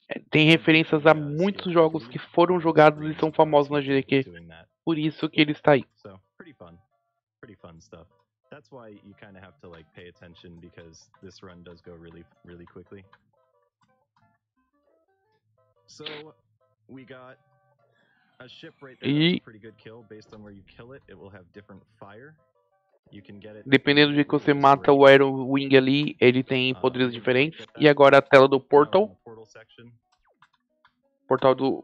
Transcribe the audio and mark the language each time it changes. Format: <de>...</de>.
<pt>Tem referências a muitos jogos que foram jogados e são famosos na GDQ. Por isso que ele está aí.</pt> <en>Pretty fun stuff. That's why you kind of have to like pay attention because this run does go really, really quickly. So we got a ship right there. That's a pretty good kill. Based on where you kill it, it will have different fire. You can get it.</en> <pt>Dependendo de que você mata o Iron Wing ali, ele tem poderes diferentes. E agora a tela do portal. Portal.</pt>